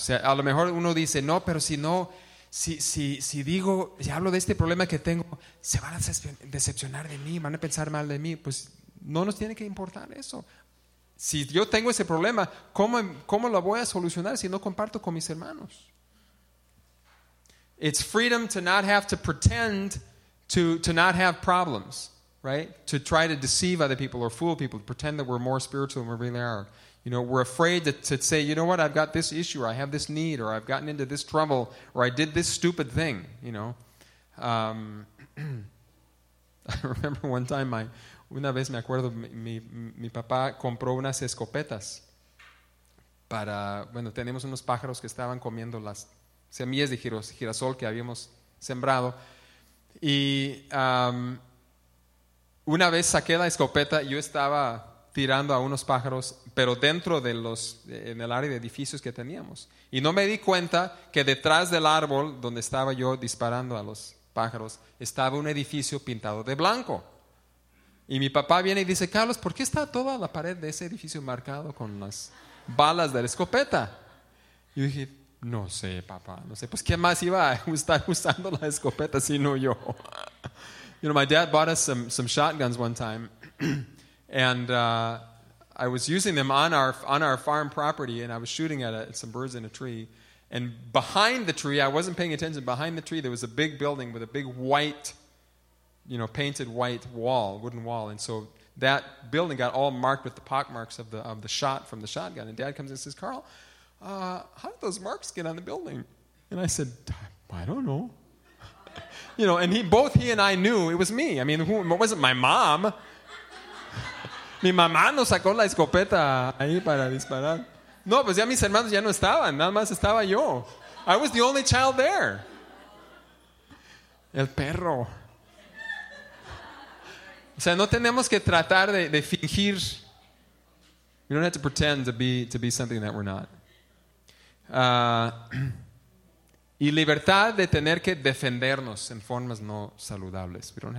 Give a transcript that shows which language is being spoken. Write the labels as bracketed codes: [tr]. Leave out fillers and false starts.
[es] O sea, a lo mejor uno dice, no, pero si no, si digo, si hablo de este problema que tengo, se van a decepcionar de mí, van a pensar mal de mí. Pues no nos tiene que importar eso. Si yo tengo ese problema, ¿cómo lo voy a solucionar si no comparto con mis hermanos? [en] It's freedom to not have to pretend to not have problems. Right? To try to deceive other people or fool people, to pretend that we're more spiritual than we really are. You know, we're afraid to say, you know what, I've got this issue, or I have this need, or I've gotten into this trouble, or I did this stupid thing, you know. I remember one time, [es] una vez me acuerdo, mi papá compró unas escopetas para, bueno, tenemos unos pájaros que estaban comiendo las semillas de girasol que habíamos sembrado. Y una vez saqué la escopeta, yo estaba tirando a unos pájaros, pero dentro de los, en el área de edificios que teníamos. Y no me di cuenta que detrás del árbol donde estaba yo disparando a los pájaros, estaba un edificio pintado de blanco. Y mi papá viene y dice, Carlos, ¿por qué está toda la pared de ese edificio marcado con las balas de la escopeta? Y yo dije, no sé, papá, no sé. Pues, ¿qué más iba a estar usando la escopeta si no yo? [en] You know, my dad bought us some shotguns one time, and I was using them on our farm property, and I was shooting at some birds in a tree. And behind the tree, I wasn't paying attention, behind the tree there was a big building with a big white, you know, painted white wall, wooden wall. And so that building got all marked with the pock marks of the shot from the shotgun. And Dad comes and says, Carl, how did those marks get on the building? And I said, I don't know. You know, and both he and I knew it was me. I mean, it wasn't my mom. [es] Mi mamá no sacó la escopeta ahí para disparar. No, pues ya mis hermanos ya no estaban. Nada más estaba yo. [en] I was the only child there. [es] El perro. O sea, no tenemos que tratar de fingir. [en] We don't have to pretend to be something that we're not. [es] Y libertad de tener que defendernos en formas no saludables.